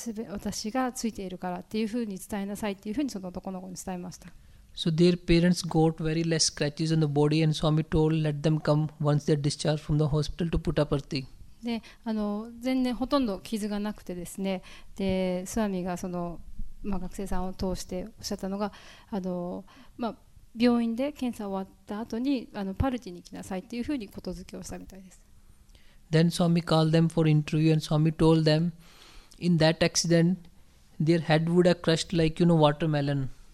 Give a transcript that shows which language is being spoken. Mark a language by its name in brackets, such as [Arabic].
[Japanese] 私がついているからっていうふうに伝えなさいっていうふうにその男の子に伝えました。 [English] So their parents got very less scratches on the body and Swami told let them come once they're discharged from the hospital to put up a tea. [Japanese] で、全然ほとんど傷がなくてですね、で、スワミがその、まあ、学生さんを通しておっしゃったのが、まあ、病院で検査終わった後にパルティに来なさいっていうふうにことづけをしたみたいです。 [English] Then Swami called them for interview and Swami told themIn that accident, their head would have crushed like, you know, watermelon.